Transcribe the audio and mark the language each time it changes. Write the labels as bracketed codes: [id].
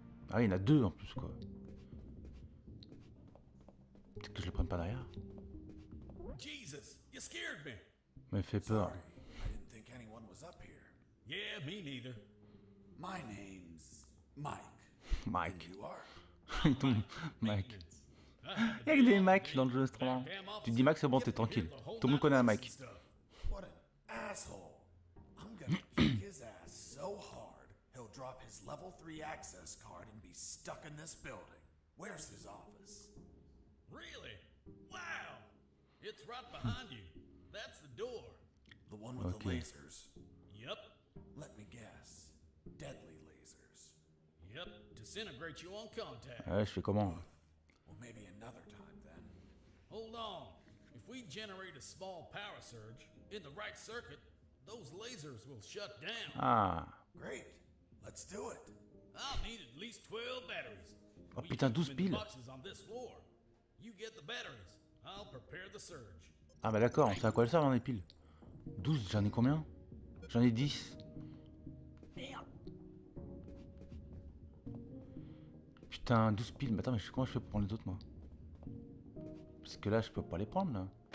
[fr] Ah, il y en a deux en plus, quoi. Peut-être que je le prenne pas derrière. [en] Jesus, you scared me. [fr] Mais fais peur. [en] Sorry, I didn't think anyone was up here. Yeah, me neither. My name's Mike. Mike. You are. Mike. [fr] Il y a que des Mike dans le jeu, c'est trop marrant. Tu dis Mike, c'est bon, t'es tranquille. Tout le monde connaît un Mike. [en] What an asshole. I'm gonna kick his ass so hard, he'll drop his level 3 access card and be stuck in this building. Where's his office? Really? Wow! It's right behind you. That's the door. The one with the lasers. Yep. Let me guess. Deadly lasers. Yep. Disintegrate you on contact. [fr] Je fais comment? [en] Well, maybe another time then. Hold on. If we generate a small power surge in the right circuit, those lasers will shut down. Ah. Great. Let's do it. I'll need at least 12 batteries. [fr] Oh putain, 12 piles. [en] We keep them in boxes on this floor. You get the batteries. I'll prepare the surge. [fr] Ah bah d'accord. On sait à quoi elles servent les piles. 12. J'en ai combien? J'en ai 10. Putain, 12 piles. Mais attends, mais comment je fais pour prendre les autres, moi? Parce que là, je peux pas les prendre, là.